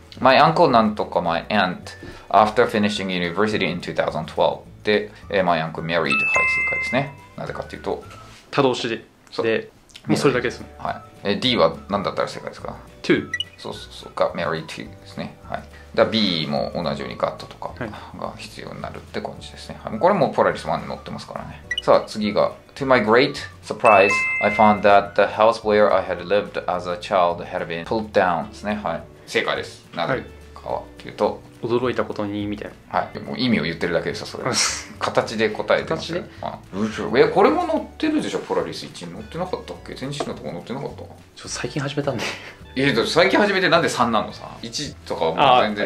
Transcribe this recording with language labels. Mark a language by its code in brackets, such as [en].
[en] My uncle [ja] なんとか [en] my aunt after finishing university in 2012で、my uncle married、 [ja] はい、正解ですね。なぜかというと他動詞で、そう、でもうそれだけですもん、はい、D は何だったら正解ですか。 To、そうそうそう、が married to ですね、はい、で B も同じように got とかが必要になるって感じですね、はい、これもポラリス1に載ってますからね。さあ次が [en] To my great surprise I found that the house where I had lived as a child had been pulled down [ja] ですね、はい、正解です。なぜかはいうと、驚いたことにみたいな、はい、もう意味を言ってるだけですよ、それ形で答えてますよ、形で、まあ、これも載ってるでしょ、ポラリス1に載ってなかったっけ、前置詞のとこ載ってなかった、ちょっと最近始めたんで、いや最近始めてなんで3なのさ、1とかもう全然、